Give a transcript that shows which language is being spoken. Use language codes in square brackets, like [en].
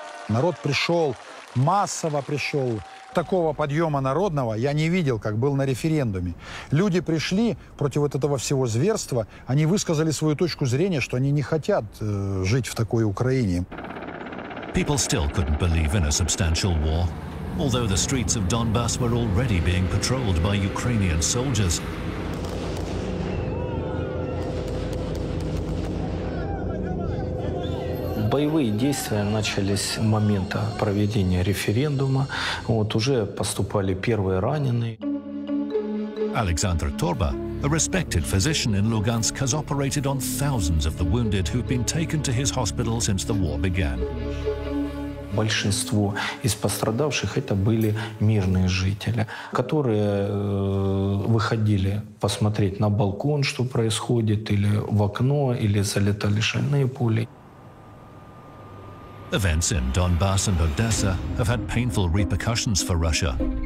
[ru] Народ пришел. Массово пришел. Такого подъема народного я не видел, как был на референдуме. Люди пришли против вот этого всего зверства. Они высказали свою точку зрения, что они не хотят жить в такой Украине. [en] People still couldn't believe in a substantial war. Although the streets of Donbass were already being patrolled by Ukrainian soldiers. [ru] Боевые действия начались с момента проведения референдума. Вот уже поступали первые раненые. [en] Александр Торба, a respected physician in Lugansk, has operated on thousands of the wounded who've been taken to his hospital since the war began. [ru] Большинство из пострадавших это были мирные жители, которые выходили посмотреть на балкон, что происходит, или в окно, или залетали шальные пули. [en] Events in Donbass and Odessa have had painful repercussions for Russia.